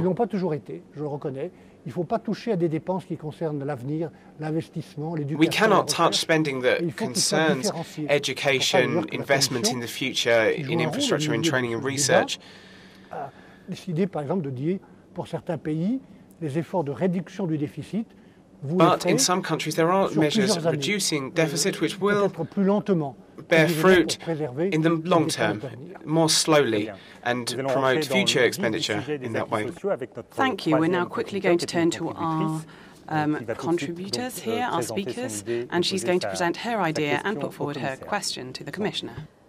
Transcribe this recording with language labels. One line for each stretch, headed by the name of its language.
French: Ils ont pas toujours été, je le reconnais. Il faut pas toucher à des dépenses qui concernent l'avenir, l'investissement, l'éducation.
English: We cannot touch spending that concerns education, investment in the future, in infrastructure, in training and research.
French: Décider, par exemple, de dire pour certains pays.
English: But in some countries, there are measures of reducing deficit which will bear fruit in the long term, more slowly, and promote future expenditure in that way. Thank you. We're now quickly going to turn to our contributors here, our speakers, and she's going to present her idea and put forward her question to the Commissioner.